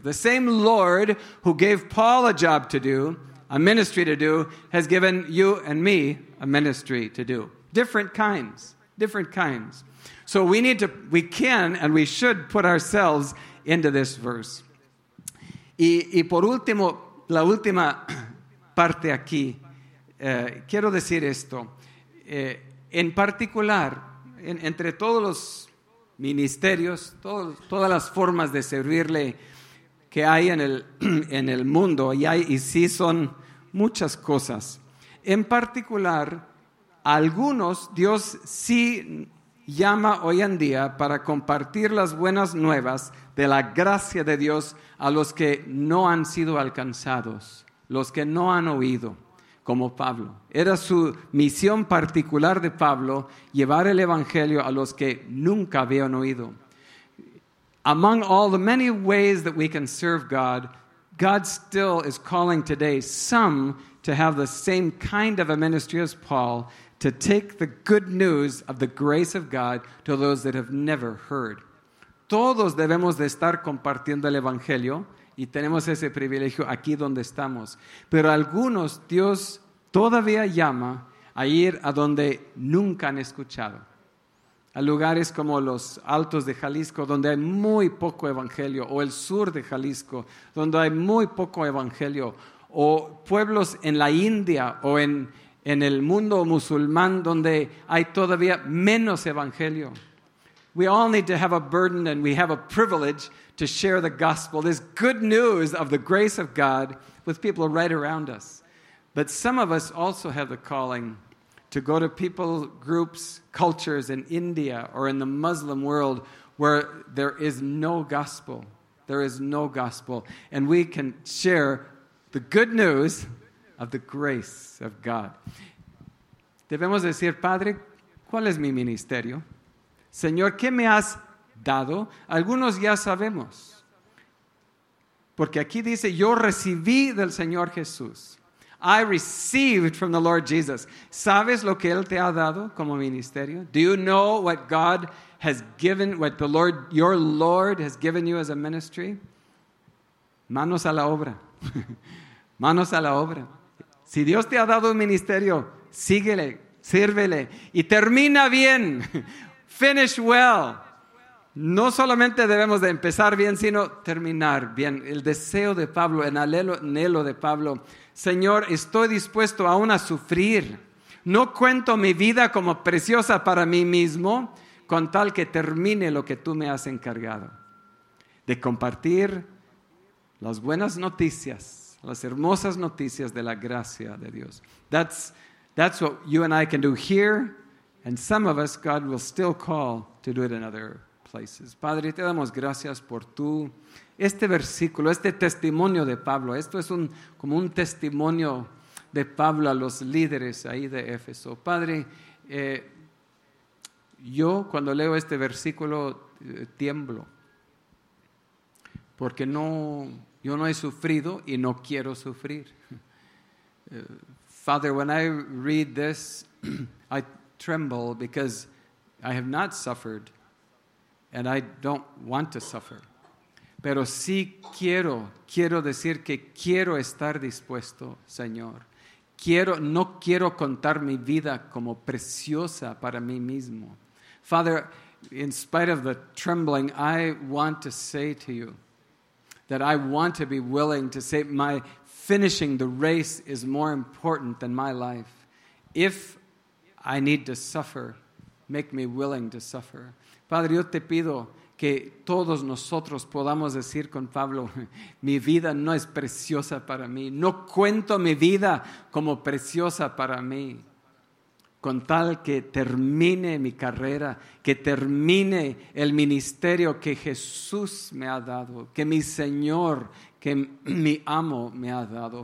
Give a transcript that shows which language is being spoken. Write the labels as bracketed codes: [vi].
[en] The same Lord who gave Paul a job to do, a ministry to do, has given you and me a ministry to do. Different kinds. So we should put ourselves into this verse. [es] Y por último, la última parte aquí, quiero decir esto. En particular, entre todos los ministerios, todas las formas de servirle que hay en el mundo, y sí son muchas cosas. En particular, algunos Dios sí llama hoy en día para compartir las buenas nuevas de la gracia de Dios a los que no han sido alcanzados, los que no han oído, como Pablo. Era su misión particular de Pablo llevar el evangelio a los que nunca habían oído. [en] Among all the many ways that we can serve God, God still is calling today some to have the same kind of a ministry as Paul, to take the good news of the grace of God to those that have never heard. [es] Todos debemos de estar compartiendo el evangelio y tenemos ese privilegio aquí donde estamos. Pero algunos Dios todavía llama a ir a donde nunca han escuchado. A lugares como los altos de Jalisco, donde hay muy poco evangelio, o el sur de Jalisco, donde hay muy poco evangelio, o pueblos en la India o en el mundo musulmán, donde hay todavía menos evangelio. [en] We all need to have a burden and we have a privilege to share the gospel, this good news of the grace of God, with people right around us. But some of us also have the calling to go to people, groups, cultures in India or in the Muslim world where there is no gospel. There is no gospel. And we can share the good news of the grace of God. [es] Debemos decir, Padre, ¿cuál es mi ministerio? Señor, ¿qué me has dado? Algunos ya sabemos. Porque aquí dice, yo recibí del Señor Jesús. [en] I received from the Lord Jesus. [es] ¿Sabes lo que Él te ha dado como ministerio? [en] Do you know what God has given, what the Lord, your Lord has given you as a ministry? [es] Manos a la obra. Manos a la obra. Si Dios te ha dado un ministerio, síguele, sírvele y termina bien. [en] Finish well. [es] No solamente debemos de empezar bien, sino terminar bien. El deseo de Pablo, el anhelo de Pablo. Señor, estoy dispuesto aún a sufrir. No cuento mi vida como preciosa para mí mismo, con tal que termine lo que tú me has encargado. De compartir las buenas noticias, las hermosas noticias de la gracia de Dios. [en] That's what you and I can do here, and some of us God will still call to do it in other places. [es] Padre, te damos gracias por tu este versículo, este testimonio de Pablo. Esto es un como un testimonio de Pablo a los líderes ahí de Éfeso. Padre, yo cuando leo este versículo tiemblo, porque yo no he sufrido y no quiero sufrir. [en] Father, when I read this, I tremble because I have not suffered and I don't want to suffer. [es] Pero sí quiero decir que quiero estar dispuesto, Señor. No quiero contar mi vida como preciosa para mí mismo. [en] Father, in spite of the trembling, I want to say to you that I want to be willing to say my finishing the race is more important than my life. If I need to suffer, make me willing to suffer. [es] Padre, yo te pido que todos nosotros podamos decir con Pablo, mi vida no es preciosa para mí. No cuento mi vida como preciosa para mí. Con tal que termine mi carrera, que termine el ministerio que Jesús me ha dado, que mi Señor, que mi amo me ha dado.